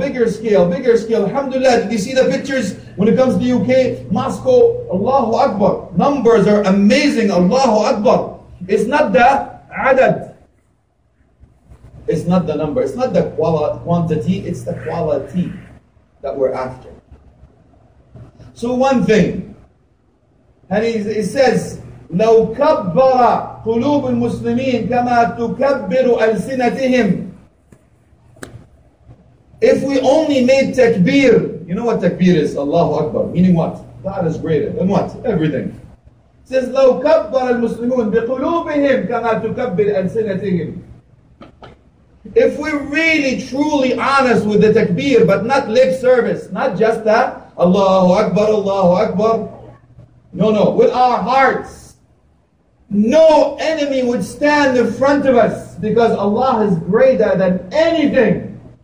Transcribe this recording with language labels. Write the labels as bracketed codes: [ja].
[en] Alhamdulillah, did you see the pictures when it comes to the UK? Moscow, Allahu Akbar. Numbers are amazing, Allahu Akbar. It's not the adad. It's not the number. It's not the quantity. It's the quality that we're after. So one thing. And he says, [ar] لو كبر قلوب المسلمين كما تكبر ألسنتهم. [en] If we only made takbir, you know what takbir is? Allahu Akbar. Meaning what? God is greater than what? Everything. It says, [ar] لو كبر المسلمون بقلوبهم كما تكبر ألسنتهم. [en] If we're really truly honest with the takbir, but not lip service, not just that, Allahu Akbar, Allahu Akbar. No, with our hearts. No enemy would stand in front of us because Allah is greater than anything.